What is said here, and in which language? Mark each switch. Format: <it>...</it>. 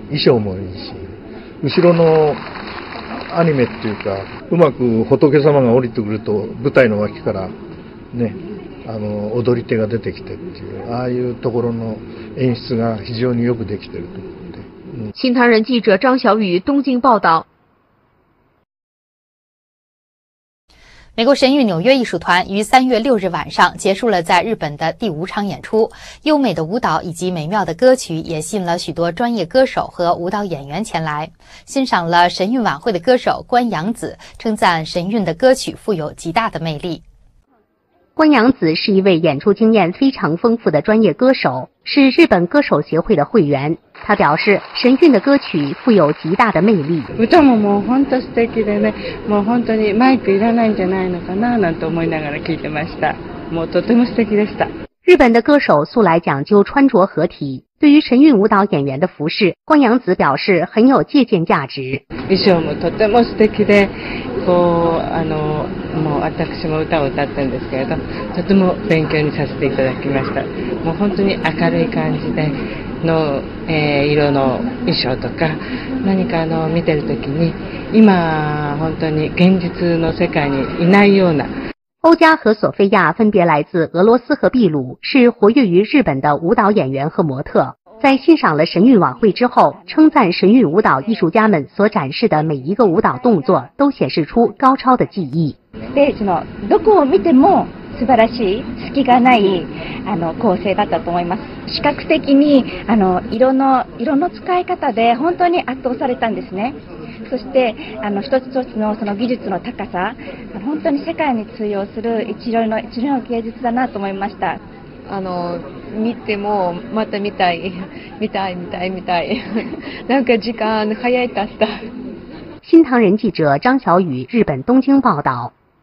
<ja>衣装もいいし、後ろのアニメっていうかうまく仏様が降りてくると舞台の脇からねあの踊り手が出てきてっていう、ああいうところの演出が非常によくできてると思って、</ja> <zh>新唐人記者张小雨东京报道。美国神韵纽约艺术团于3月6日晚上结束了在日本的第五场演出，优美的舞蹈以及美妙的歌曲也吸引了许多专业歌手和舞蹈演员前来。欣赏了神韵晚会的歌手关阳子称赞神韵的歌曲富有极大的魅力。关阳子是一位演出经验非常丰富的专业歌手，是日本歌手协会的会员。他表示神韵的歌曲富有极大的魅力。</zh> <ja>歌ももう本当素敵でね、もう本当にマイクいらないんじゃないのかななんて思いながら聞いてました。もうとても素敵でした。</ja> <zh>日本的歌手素来讲究穿着合体，对于神韵舞蹈演员的服饰，关阳子表示很有借鉴价值。</zh> <ja>衣装もとても素敵で、こうあのもう私も歌を歌ったんですけれど、とても勉強にさせていただきました。もう本当に明るい感じで。の、色の衣装とか何かあの見てるときに今本当に現実の世界にいないような。</ja> <zh>欧加和索菲亚分别来自俄罗斯和秘鲁，是活跃于日本的舞蹈演员和模特，在欣赏了神韵晚会之后称赞神韵舞蹈艺术家们所展示的每一个舞蹈动作都显示出高超的技艺。</zh> <ja>ステージのどこを見ても素晴らしい、隙がないあの構成だったと思います。視覚的にあの 色の使い方で本当に圧倒されたんですね。そしてあの一つ一つ その技術の高さ、本当に世界に通用する一流の芸術だなと思いました。あの見てもまた見たい見たい見たい見たいなんか時間早いかった。</ja> <zh>新唐人記者张小雨日本東京报道。</zh>